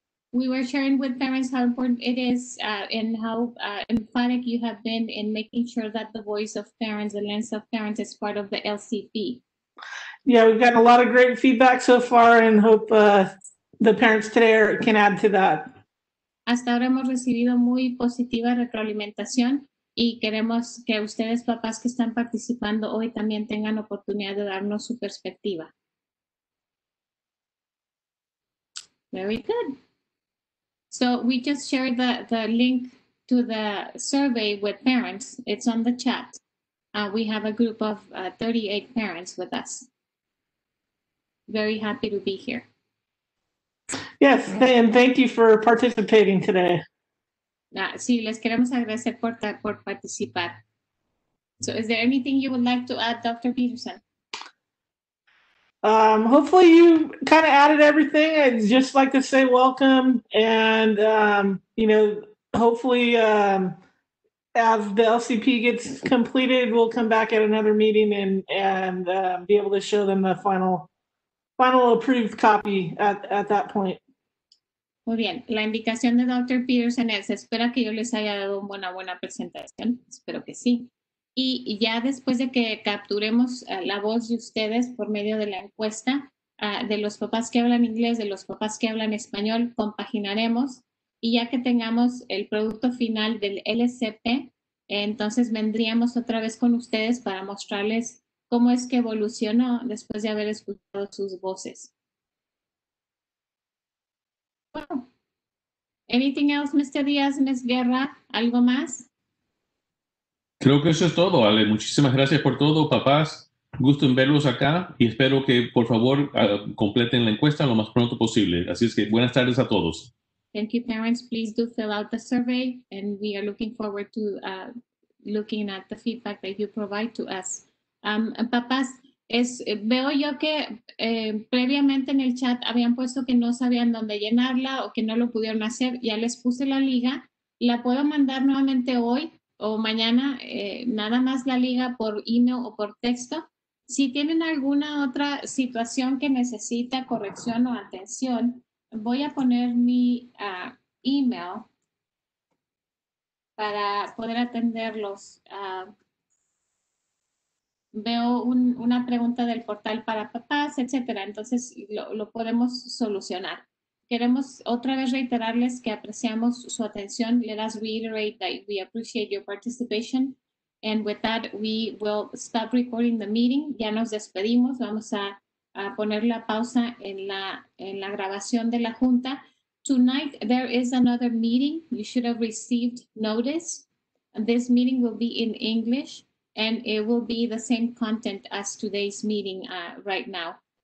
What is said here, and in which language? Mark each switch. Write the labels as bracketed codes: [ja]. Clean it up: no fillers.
[en] We were sharing with parents how important it is and how emphatic you have been in making sure that the voice of parents, the lens of parents, is part of the LCP. Yeah, we've gotten a lot of great feedback so far and hope the parents today can add to that. [es] Hasta ahora hemos recibido muy positiva retroalimentación y queremos que ustedes, papás que están participando hoy, también tengan oportunidad de darnos su perspectiva. [en] Very good. So we just shared the link to the survey with parents. It's on the chat. We have a group of 38 parents with us. Very happy to be here. Yes, and thank you for participating today. [es] Sí, les queremos agradecer por participar. [en] So is there anything you would like to add, Dr. Peterson? Hopefully you kind of added everything. I'd just like to say welcome. And, hopefully as the LCP gets completed, we'll come back at another meeting and be able to show them the final approved copy at that point. [es] Muy bien. La invitación de Dr. Peterson es, espero que yo les haya dado una buena presentación. Espero que sí. Y ya después de que capturemos la voz de ustedes por medio de la encuesta de los papás que hablan inglés, de los papás que hablan español, compaginaremos. Y ya que tengamos el producto final del LCP, entonces vendríamos otra vez con ustedes para mostrarles cómo es que evolucionó después de haber escuchado sus voces. Bueno. [en] Anything else, Mr. Díaz, Ms. Guerra? [es] ¿Algo más? Creo que eso es todo, Ale. Muchísimas gracias por todo, papás. Gusto en verlos acá y espero que, por favor, completen la encuesta lo más pronto posible. Así es que buenas tardes a todos. [en] Thank you, parents. Please do fill out the survey and we are looking forward to looking at the feedback that you provide to us. [es] Papás, veo yo que previamente en el chat habían puesto que no sabían dónde llenarla o que no lo pudieron hacer. Ya les puse la liga. La puedo mandar nuevamente hoy o mañana, nada más la liga por email o por texto. Si tienen alguna otra situación que necesita corrección o atención, voy a poner mi email para poder atenderlos. Veo una pregunta del portal para papás, etcétera. Entonces lo podemos solucionar. Queremos otra vez reiterarles que apreciamos su atención. [en] Let us reiterate that we appreciate your participation. And with that, we will stop recording the meeting. [es] Ya nos despedimos. Vamos a poner la pausa en la grabación de la junta. [en] Tonight, there is another meeting. You should have received notice. This meeting will be in English, and it will be the same content as today's meeting right now.